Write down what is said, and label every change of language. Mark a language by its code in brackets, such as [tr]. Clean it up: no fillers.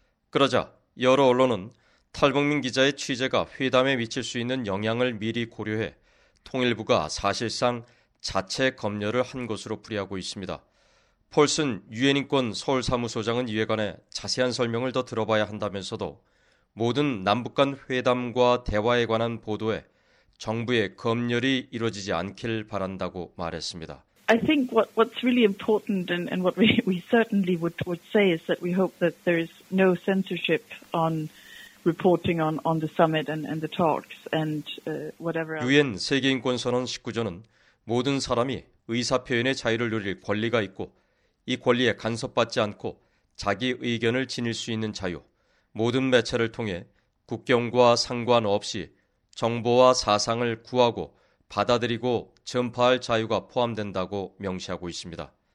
[ko] 그러자 여러 언론은 탈북민 기자의 취재가 회담에 미칠 수 있는 영향을 미리 고려해 통일부가 사실상 자체 검열을 한 것으로 풀이하고 있습니다. 폴슨 유엔인권 서울사무소장은 이에 관해 자세한 설명을 더 들어봐야 한다면서도 모든 남북 간 회담과 대화에 관한 보도에 정부의 검열이 이루어지지 않길 바란다고 말했습니다. [en] I think what's really important and what we certainly would say is that we hope that there is no censorship on reporting on the summit and the talks and whatever else. [ko] 유엔 세계인권선언 19조는 모든 사람이 의사표현의 자유를 누릴 권리가 있고 이 권리에 간섭받지 않고 자기 의견을 지닐 수 있는 자유, 모든 매체를 통해 국경과 상관없이 정보와 사상을 구하고 받아들이고 전파할 자유가 포함된다고 명시하고 있습니다.